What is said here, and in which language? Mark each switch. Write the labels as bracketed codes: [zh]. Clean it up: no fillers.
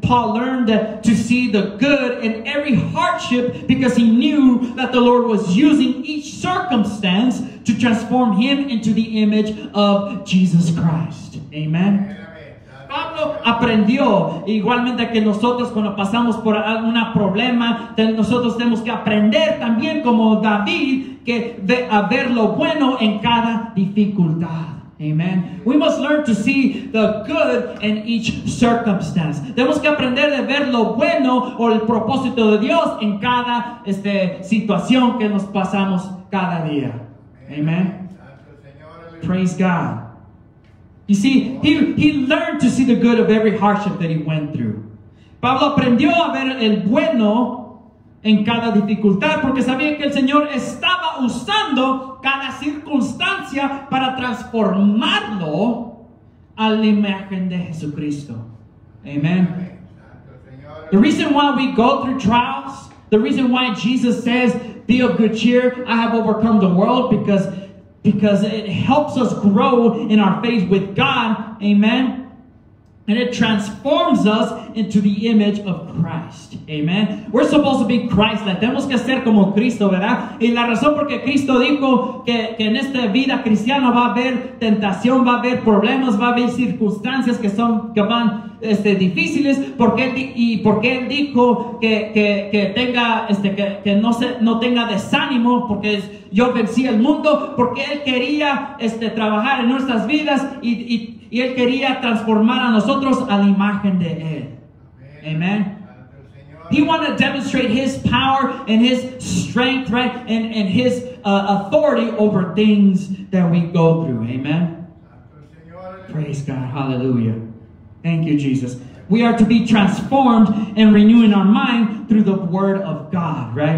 [en] Paul learned to see the good in every hardship because he knew that the Lord was using each circumstance to transform him into the image of Jesus Christ. Amen. [es] Pablo aprendió, igualmente que nosotros cuando pasamos por algún problema, nosotros tenemos que aprender también como David, que de a ver lo bueno en cada dificultad. Amen. [en] We must learn to see the good in each circumstance. [es] Tenemos que aprender de ver lo bueno o el propósito de Dios en cada situación que nos pasamos cada día. [en] Amen. Praise God. You see, he learned to see the good of every hardship that he went through. [es] Pablo aprendió a ver el bueno en cada dificultad porque sabía que el Señor estaba usando cada circunstancia para transformarlo a la imagen de Jesucristo. Amen. [en] The reason why we go through trials, the reason why Jesus says, "Be of good cheer, I have overcome the world," because it helps us grow in our faith with God. Amen. And it transforms us into the image of Christ. [es] Amen. [en] We're supposed to be Christ-like. [es] Tenemos que ser como Cristo, ¿verdad? Y la razón porque Cristo dijo que en esta vida cristiana va a haber tentación, va a haber problemas, va a haber circunstancias que van difíciles, porque él dijo que no tenga desánimo, porque yo vencí el mundo, porque él quería trabajar en nuestras vidas y él quería transformar a nosotros a la imagen de él. Amen. [en] He wanted to demonstrate his power and his strength, right, and his authority over things that we go through. Amen. Praise God. Hallelujah. Thank you, Jesus. We are to be transformed and renewing our mind through the word of God, right?